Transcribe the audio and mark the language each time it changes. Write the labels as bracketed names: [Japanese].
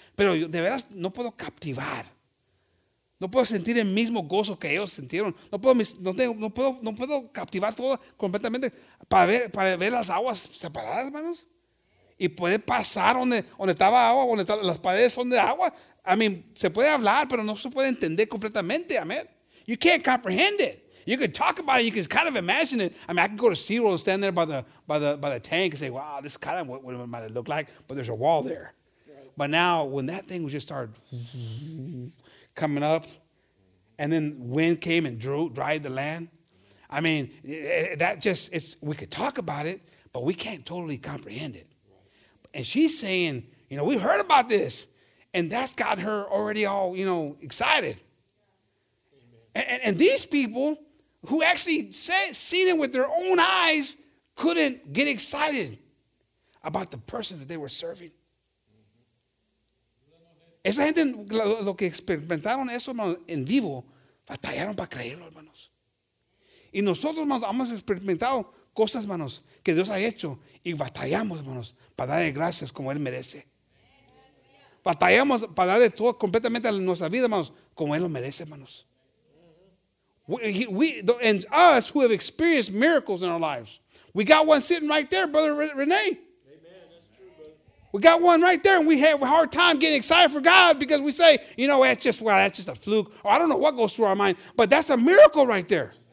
[Spanish] Pero yo, de veras, no puedo captivar. No puedo sentir el mismo gozo que ellos sintieron. No puedo captivar todo completamente para ver las aguas separadas, hermanos. Y poder pasar donde estaba agua, donde estaba, las paredes son de agua. [English] I mean, [Spanish] se puede hablar, pero no se puede entender completamente, amén. [English] You can't comprehend it. You can talk about it. You can kind of imagine it. I mean, I can go to SeaWorld and stand there by the tank and say, wow, this is kind of what it might look like, but there's a wall there. Right. But now, when that thing would just start coming up, and then wind came and dried the land, I mean, it's we could talk about it, but we can't totally comprehend it. And she's saying, you know, we heard about this. And that's got her already all, you know, excited. And these people who actually seen it with their own eyes couldn't get excited about the person that they were serving. [Spanish] Esa gente, lo que experimentaron eso en vivo, batallaron para creerlo, hermanos. Y nosotros, hermanos, hemos experimentado cosas, hermanos, que Dios ha hecho. Y batallamos, hermanos, para darle gracias como Él merece. Batallamos para darle todo completamente a nuestra vida, hermanos, como Él lo merece, hermanos. [English] And us who have experienced miracles in our lives. We got one sitting right there, Brother Renee. Amen, that's true, brother. We got one right there, and we had a hard time getting excited for God because we say, you know, that's just a fluke. Or I don't know what goes through our mind, but that's a miracle right there.